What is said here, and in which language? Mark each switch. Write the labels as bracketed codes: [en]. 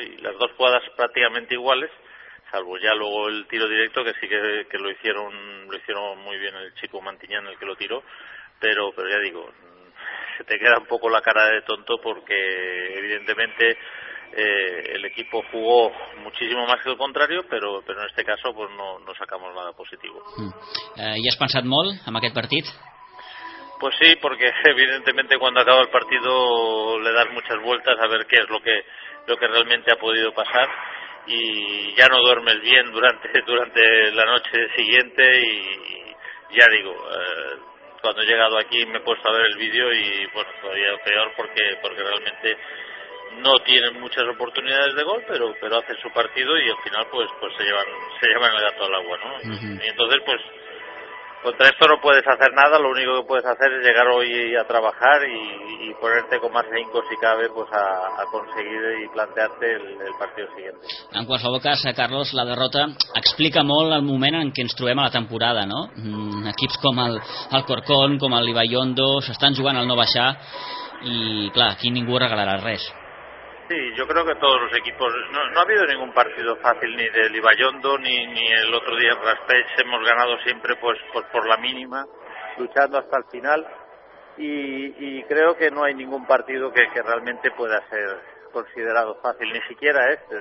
[es] Y las dos jugadas prácticamente iguales, salvo ya luego el tiro directo, que sí que lo hicieron muy bien el chico Mantiñán, el que lo tiró, pero ya digo, se te queda un poco la cara de tonto, porque evidentemente el equipo jugó muchísimo más que el contrario, pero en este caso pues no sacamos nada positivo. ¿Y has pensado [ca] molt en aquest partit? [es] Pues sí, porque evidentemente cuando acaba el partido le das muchas vueltas a ver qué es lo que realmente ha podido pasar, y ya no duermes bien durante la noche siguiente, y ya digo, cuando he llegado aquí me he puesto a ver el vídeo y bueno, todavía peor porque realmente no tienen muchas oportunidades de gol, pero hacen su partido y al final pues se llevan el gato al agua, ¿no? Uh-huh. Y entonces pues contra esto no puedes hacer nada, lo único que puedes hacer es llegar hoy a trabajar y ponerte con más ahínco si cabe pues a conseguir y plantearte el partido siguiente. [ca] En qualsevol cas, Carlos, la derrota explica molt el moment en què ens trobem a la temporada, no? Equips com el Corcón, com el Ibaiondo, s'estan jugant al no baixar i, clar, aquí ningú regalarà res. [es] Sí, yo creo que todos los equipos... No ha habido ningún partido fácil, ni del Ibaiondo, ni el otro día en Raspech. Hemos ganado siempre pues por la mínima, luchando hasta el final. Y creo que no hay ningún partido que realmente pueda ser considerado fácil, ni siquiera este.